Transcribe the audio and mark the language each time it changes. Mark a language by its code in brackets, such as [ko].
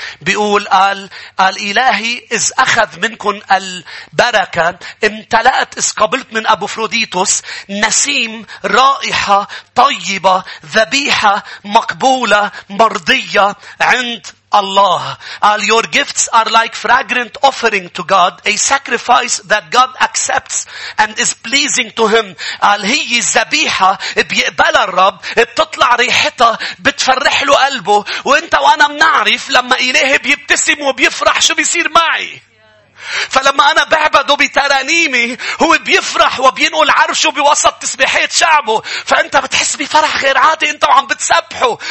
[ar] بيقول قال إلهي إذ أخذ منكم البركة امتلأت إذ قبلت من أبو فروديتوس نسيم رائحة طيبة ذبيحة مقبولة مرضية عند الله. [en] All your gifts are like fragrant offering to God, a sacrifice that God accepts and is pleasing to Him. [ar] All هي الذبيحة بيقبلها الرب, بتطلع ريحتها بتفرح له قلبه. وانت وانا منعرف لما إلهي بيبتسم وبيفرح شو بيصير معي. فلما أنا بعبده بترانيمي هو بيفرح وبينقل عرشه بوسط تسبيحات شعبه, فأنت بتحس بفرح غير عادي أنت وعم بتسبحه.